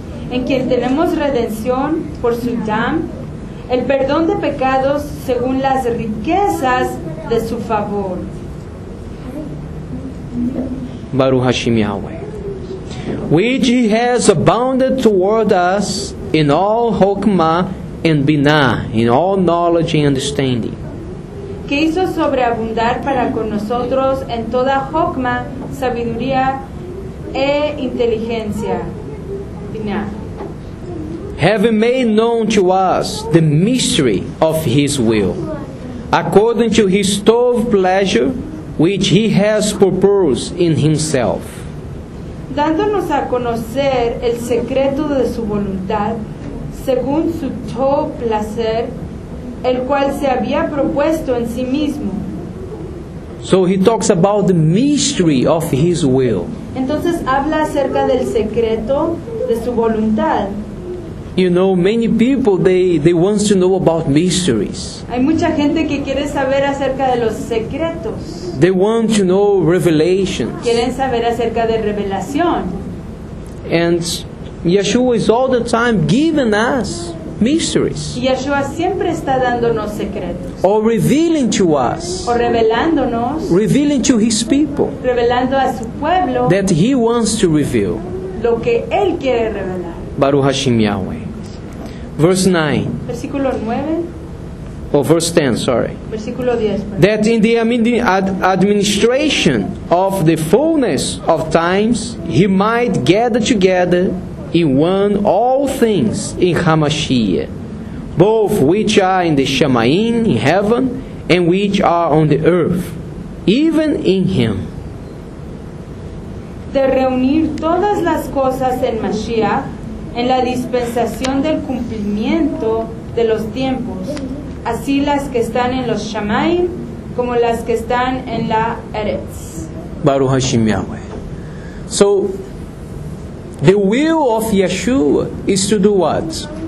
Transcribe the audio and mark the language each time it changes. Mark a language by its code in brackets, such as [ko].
[es] En quien tenemos redención por su sangre, el perdón de pecados según las riquezas de su favor. [he] Baruch Hashem Yahweh. [en] Which he has abounded toward us in all chokmah and binah, in all knowledge and understanding. [es] Que hizo sobreabundar para con nosotros en toda chokmah, sabiduría e inteligencia, binah. [en] Having made known to us the mystery of his will, according to his tov pleasure, which he has purposed in himself. [es] Dándonos a conocer el secreto de su voluntad, según su todo placer, el cual se había propuesto en sí mismo. [en] So he talks about the mystery of his will. [es] Entonces habla acerca del secreto de su voluntad. [en] You know, many people, they want to know about mysteries. [es] Hay mucha gente que quiere saber acerca de los secretos. [en] They want to know revelations. [es] Quieren saber acerca de revelación. [en] And Yeshua is all the time giving us mysteries. [es] Y Yeshua siempre está dándonos secretos. [en] Or revealing to us. [es] O revelándonos. [en] Revealing to his people. [es] Revelando a su pueblo. [en] That he wants to reveal. [es] Lo que él quiere revelar. [he] Baruch Hashem Yahweh. [en] Verse 9. [es] Versículo [en] 9. Oh, verse 10, sorry. [es] Versículo 10. [en] That in the administration of the fullness of times, he might gather together in one all things in Hamashiach, both which are in the Shamayim, in heaven, and which are on the earth, even in him. [es] De reunir todas las cosas en Mashiach, en la dispensación del cumplimiento de los tiempos, así las que están en los Shamayim como las que están en la Eretz. [he] Baruch Hashem Yahweh. [en] So, the will of Yeshua is to do what?